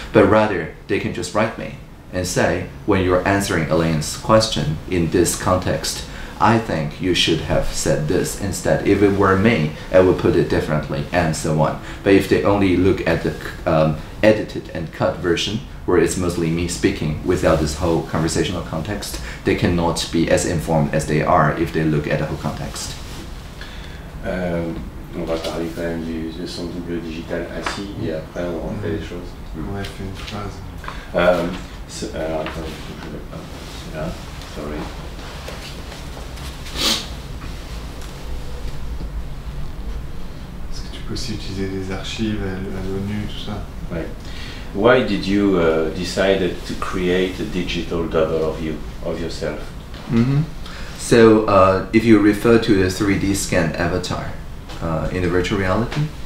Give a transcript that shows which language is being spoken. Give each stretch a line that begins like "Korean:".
English: But rather, they can just write me and say, when you're answering Elaine's question in this context, I think you should have said this instead. If it were me, I would put it differently, and so on. But if they only look at the edited and cut version, where it's mostly me speaking without this whole conversational context, they cannot be as informed as they are if they look at the whole context.
French: On va parler quand même du son double digital assis et après on refait les choses. Ouais, fais une phrase. Attends, je ne vais pas. C'est là.
English: Sorry.
French: Est-ce que tu peux aussi utiliser des archives à l'ONU, tout ça? Ouais.
English: Why did you decide to create a digital double of you, of yourself? Mm-hmm. So, if you refer to the 3D scan avatar in the virtual reality?